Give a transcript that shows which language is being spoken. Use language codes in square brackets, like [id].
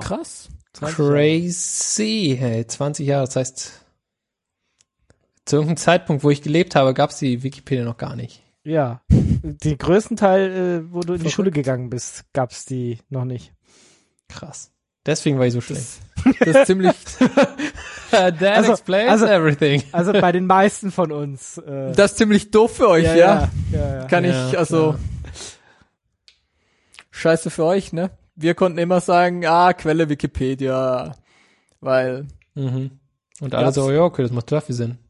[de] Krass. Crazy. Hey, 20 Jahre. Das heißt, zu irgendeinem Zeitpunkt, wo ich gelebt habe, gab es die Wikipedia noch gar nicht. Ja, den größten Teil, wo du in die Schule gegangen bist, gab es die noch nicht. Krass. Deswegen war ich so schlecht. Das ist ziemlich... [en] That explains everything. [de] Also bei den meisten von uns. Das ist ziemlich doof für euch, ja? Ja. Kann ich, also... Ja. Scheiße für euch, ne? Wir konnten immer sagen, Quelle Wikipedia. Weil... Mhm. Und alle so, ja, okay, das macht total viel Sinn.